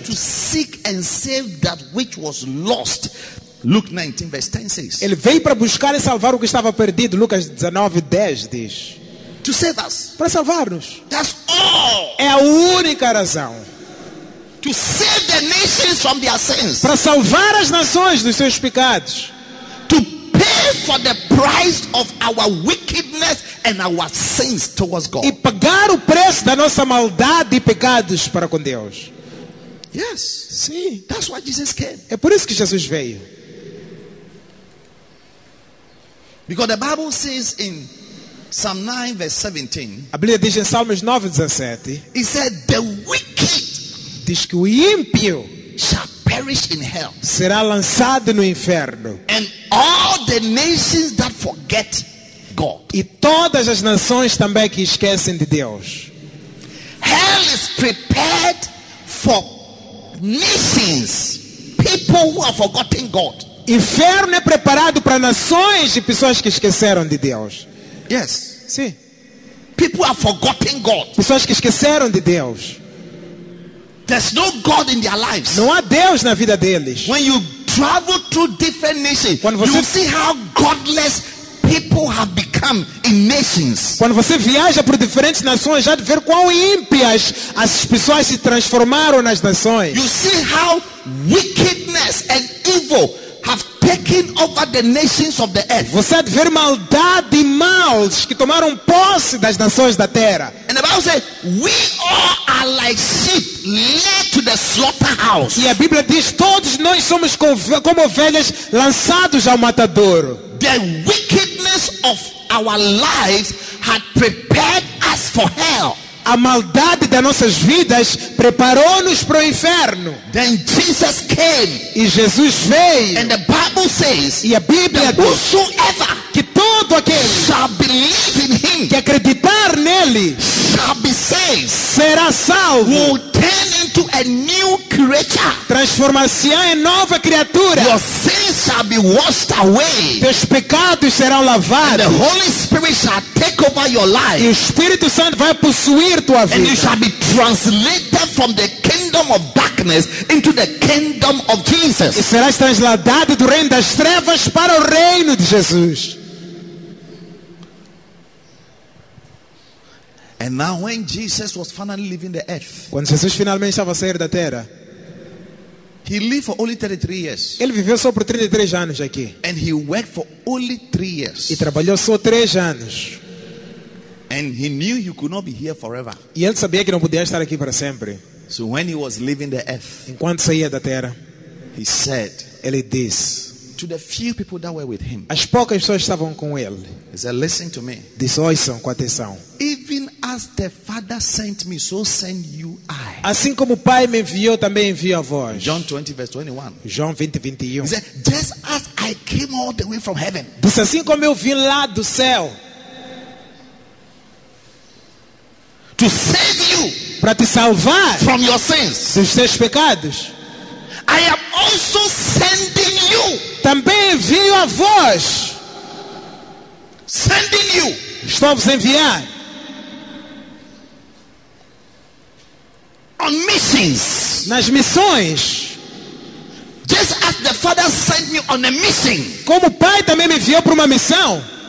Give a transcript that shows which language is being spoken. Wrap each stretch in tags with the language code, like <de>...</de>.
<en>He came to seek and save that which was lost. Luke 19, verse 10 says.</en> <pt>Ele veio para buscar e salvar o que estava perdido. Lucas 19, 10 diz.</pt> <en>To save us.</en> <pt>Para salvar-nos.</pt> <en>That's all.</en> <pt>É a única razão.</pt> <en>To save the nations from their sins.</en> <pt>Para salvar as nações dos seus pecados.</pt> <en>To pay for the price of our wickedness and our sins towards God.</en> <pt>E pagar o preço da nossa maldade e pecados para com Deus.</pt> <en>Yes.</en> <pt>Sim.</pt> <en>That's why Jesus came.</en> <pt>É por isso que Jesus veio.</pt> <en>Because the Bible says in Psalm 9 verse 17.</en> <pt>A Bíblia diz em Salmos 9, 17.</pt> <en>It said the wicked.</en> <pt>Diz que o ímpio.</pt> <en>Shall perish in hell.</en> <pt>Será lançado no inferno.</pt> <en>And all the nations that forget God.</en> <pt>E todas as nações também que esquecem de Deus.</pt> <en>Hell is prepared for nations. People who have forgotten God.</en> <pt>Inferno é preparado para nações e pessoas que esqueceram de Deus. Yes. Sim.</pt> <en>People have forgotten God.</en> <pt>Pessoas que esqueceram de Deus.</pt> <en>There's no God in their lives.</en> <pt>Não há Deus na vida deles.</pt> <en>When you travel through different nations,</en> <pt>quando você...</pt> <en>you see how godless people have become in nations.</en> <pt>Quando você viaja por diferentes nações, já de ver quão ímpias as pessoas se transformaram nas nações.</pt> <en>You see how wickedness and evil have taken taking over the nations of the earth.</en> <pt>Você de ver maldade e maus que tomaram posse das nações da terra.</pt> <en>And the Bible says, we all are like sheep led to the slaughterhouse.</en> <pt>E a Bíblia diz, todos nós somos como ovelhas lançados ao matadouro.</pt> <en>The wickedness of our lives had prepared us for hell.</en> <pt>A maldade das nossas vidas preparou-nos para o inferno.</pt> <en>Then Jesus came.</en> <pt>E Jesus veio.</pt> <en>And the Bible says,</en> <pt>e a Bíblia diz,</pt> <en>whosoever,</en> <pt>que todo aquele</pt> <en>shall believe in him,</en> <pt>que acreditar nele,</pt> <en>shall be saved,</en> <pt>será salvo,</pt> <en>will turn into a new creature,</en> <pt>transformar-se-á em nova criatura,</pt> <en>your sins shall be washed away,</en> <pt>teus pecados serão lavados,</pt> <en>and the Holy Spirit shall take over your life,</en> <pt>e o Espírito Santo vai possuir tua vida,</pt> <en>and you shall be translated from the kingdom of darkness into the kingdom of Jesus,</en> <pt>e serás transladado do reino das trevas para o reino de Jesus.</pt> <en>And now when Jesus was finally leaving the earth,</en> <pt>quando Jesus finalmente estava a sair da terra,</pt> <en>he lived for only 33 years.</en> <pt>Ele viveu só por 33 anos aqui.</pt> <en>And he worked for only 3 years.</en> <pt>E trabalhou só 3 anos.</pt> <en>And he knew he could not be here forever.</en> <pt>E ele sabia que não podia estar aqui para sempre.</pt> <en>So when he was leaving the earth,</en> <pt>enquanto saía da terra,</pt> <en>he said,</en> <pt>ele disse,</pt> <en>to the few people that were with him,</en> <pt>as poucas pessoas estavam com ele,</pt> <en>he said, listen to me,</en> <pt>disse, ouçam com atenção,</pt> <en>even as the Father sent me, so send you I,</en> <pt>assim como o Pai me enviou, também envio a vós.</pt> <en>John 20 verse 21.</en> <pt>João 20, 21.</pt> <en>He said, just as I came all the way from heaven,</en> <pt>disse, assim como eu vim lá do céu,</pt> <en>to save you,</en> <pt>para te salvar</pt> <en>from your sins,</en> <pt>dos teus pecados,</pt> <en>I am also sending you,</en> <pt>também envio a vós.</pt> <en>Sending you,</en> <pt>estou a vos enviar.</pt> <en>On missions,</en> <pt>nas missões.</pt> <en>Just as the Father sent me on a mission,</en> <pt>como o Pai também me enviou para uma missão.</pt>